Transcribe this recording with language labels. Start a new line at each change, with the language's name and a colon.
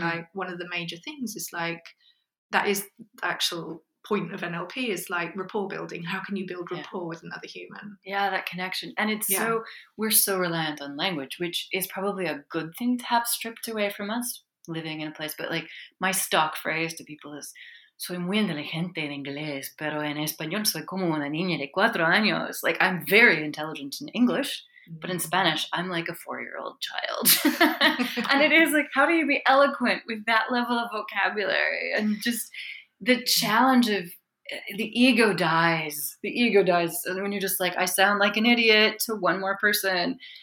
English: Like one of the major things is like, that is the actual point of NLP, is like rapport building. How can you build rapport with another human? Yeah, that connection. And it's we're so reliant on language, which is probably a good thing to have stripped away from us living in a place. But like my stock phrase to people is,
Spanish: soy muy inteligente en inglés, pero en español soy como una niña de cuatro años.
English: Like, I'm very intelligent in English, but in Spanish, I'm like a four-year-old child. And it is like, how do you be eloquent with that level of vocabulary? And just the challenge of the ego dies. The ego dies when you're just like, I sound like an idiot to one more person.